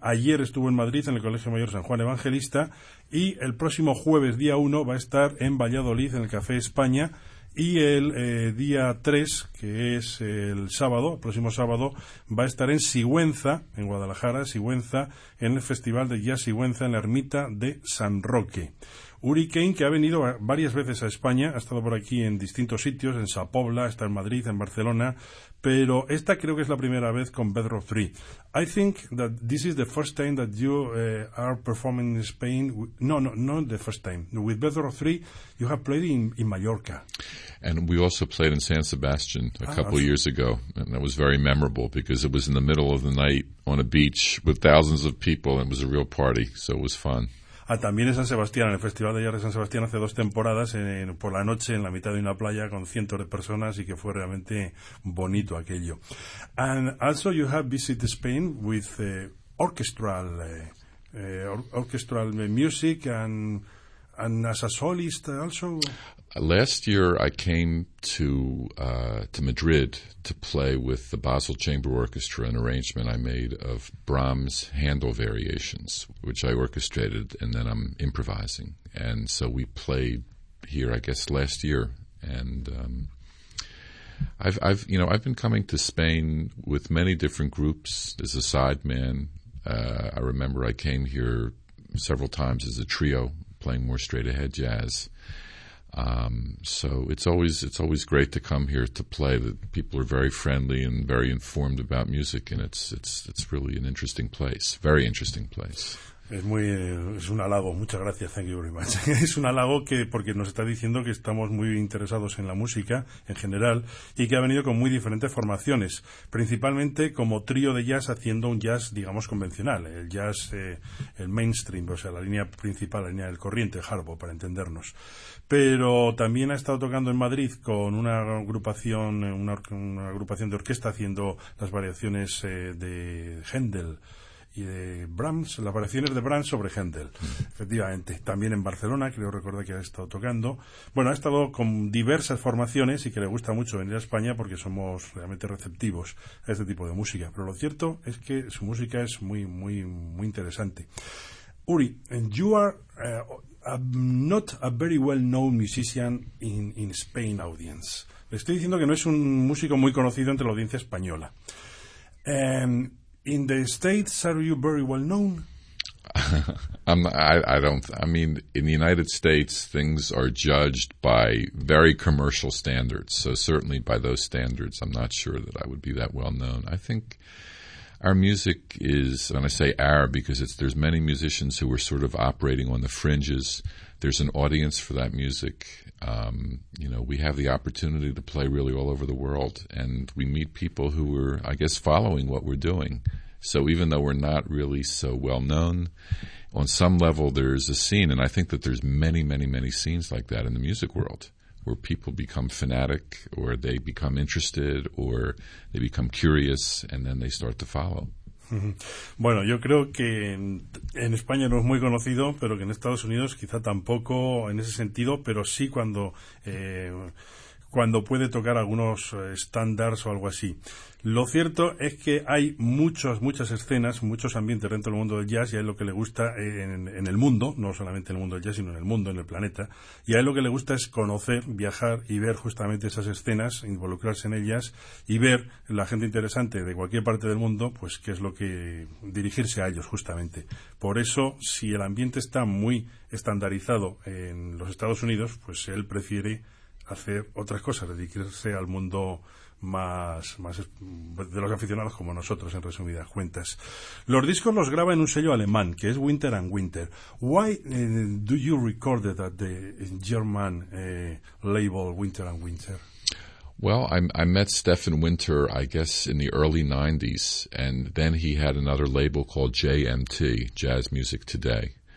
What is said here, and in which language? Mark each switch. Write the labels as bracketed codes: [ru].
[es] Ayer estuvo en Madrid en el Colegio Mayor San Juan Evangelista, y el próximo jueves, día 1, va a estar en Valladolid en el Café España, y el día 3, que es el sábado, el próximo sábado, va a estar en Sigüenza, en Guadalajara, Sigüenza, en el Festival de Jazz Sigüenza, en la Ermita de San Roque. Uri Kane, que ha venido varias veces a España, ha estado por aquí en distintos sitios, en Sa Pobla, está en Madrid, en Barcelona, pero esta creo que es la primera vez con Bedrock 3. [en] I think that this is the first time that you are performing in Spain. No, not the first time. With Bedrock 3, you have played in Mallorca. And we also played in San Sebastian a couple years ago, and that was very memorable because it was in the middle of the night on a beach with thousands of people, and it was a real party, so it was fun. [es] Ah, también en San Sebastián, en el Festival de Jazz de San Sebastián hace dos temporadas, por la noche, en la mitad de una playa con cientos de personas, y que fue realmente bonito aquello. [en] And also you have visited Spain with orchestral music and as a solist also? Last year I came to Madrid to play with the Basel Chamber Orchestra an arrangement I made of Brahms' Handel Variations, which I orchestrated, and then I'm improvising. And so we played here, I guess, last year. And I've been coming to Spain with many different groups as a sideman. I remember I came here several times as a trio, playing more straight ahead jazz. So it's always great to come here to play. The people are very friendly and very informed about music, and it's really an interesting place, very interesting place. [es] Es un halago. Muchas gracias. [en] Thank you very much. [es] Es un halago porque nos está diciendo que estamos muy interesados en la música en general y que ha venido con muy diferentes formaciones, principalmente como trío de jazz haciendo un jazz, digamos, convencional, el jazz, el mainstream, o sea, la línea principal, la línea del corriente, Harbo, para entendernos. Pero también ha estado tocando en Madrid con una agrupación de orquesta haciendo las variaciones de Händel. Y de Brahms, las variaciones de Brahms sobre Händel. Efectivamente, también en Barcelona, creo recordar que ha estado tocando. Bueno, ha estado con diversas formaciones y que le gusta mucho venir a España porque somos realmente receptivos a este tipo de música. Pero lo cierto es que su música es muy, muy, muy interesante. [en] Uri, you are not a very well-known musician in Spain audience. [es] Le estoy diciendo que no es un músico muy conocido entre la audiencia española. [en] In the States, are you very well known? In the United States, things are judged by very commercial standards. So certainly by those standards, I'm not sure that I would be that well known. I think our music is, and I say our because there's many musicians who are sort of operating on the fringes. There's an audience for that music. We have the opportunity to play really all over the world, and we meet people who are, I guess, following what we're doing. So even though we're not really so well known, on some level there's a scene, and I think that there's many, many, many scenes like that in the music world where people become fanatic or they become interested or they become curious and then they start to follow. [es] Bueno, yo creo que en España no es muy conocido, pero que en Estados Unidos quizá tampoco en ese sentido, pero sí cuando puede tocar algunos estándares o algo así. Lo cierto es que hay muchas escenas, muchos ambientes dentro del mundo del jazz, y a él lo que le gusta en el mundo, no solamente en el mundo del jazz, sino en el mundo, en el planeta, y a él lo que le gusta es conocer, viajar y ver justamente esas escenas, involucrarse en ellas y ver la gente interesante de cualquier parte del mundo, pues qué es lo que dirigirse a ellos justamente. Por eso, si el ambiente está muy estandarizado en los Estados Unidos, pues él prefiere hacer otras cosas, dedicarse al mundo más de los aficionados como nosotros, en resumidas cuentas. Los discos los graba en un sello alemán, que es Winter and Winter. [en] Why do you record it at the German label Winter and Winter? Well, I met Stefan Winter, I guess, in the early 90s, and then he had another label called JMT, Jazz Music Today.